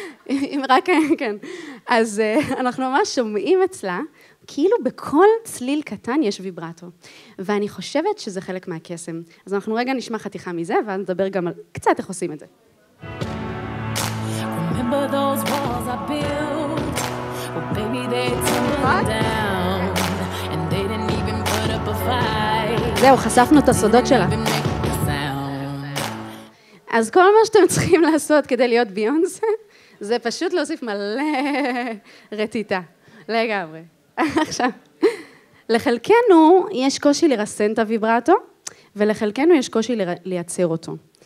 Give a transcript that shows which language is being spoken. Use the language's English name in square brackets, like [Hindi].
[Hebrew] אם רק, כן. אז אנחנו ממש שומעים אצלה, כאילו בכל צליל קטן יש ויברטו. ואני חושבת שזה חלק מהקסם. אז אנחנו רגע נשמע חתיכה מזה, ואז נדבר גם על קצת איך עושים את זה. [English] Remember those walls I built? Well, baby, they tumbled down. And they didn't even put up a fight. [Hebrew] זהו, חשפנו את הסודות שלה. אז כל מה שאתם צריכים לעשות כדי להיות ביונסה, זה פשוט להוסיף מלא רטיטה. לגמרי. עכשיו, לחלקנו יש קושי לרסן את הוויברטו, ולחלקנו יש קושי לייצר אותו.